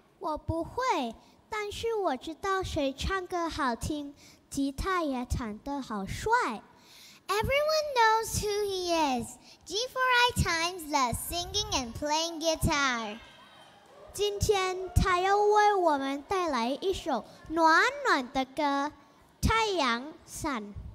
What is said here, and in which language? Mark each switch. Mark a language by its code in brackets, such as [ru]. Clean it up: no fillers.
[zh] 我不会，但是我知道谁唱歌好听，吉他也弹得好帅。 [en] Everyone knows who he is. G4I times the singing and playing guitar. [zh] 今天他又为我们带来一首暖暖的歌，太阳 Sun。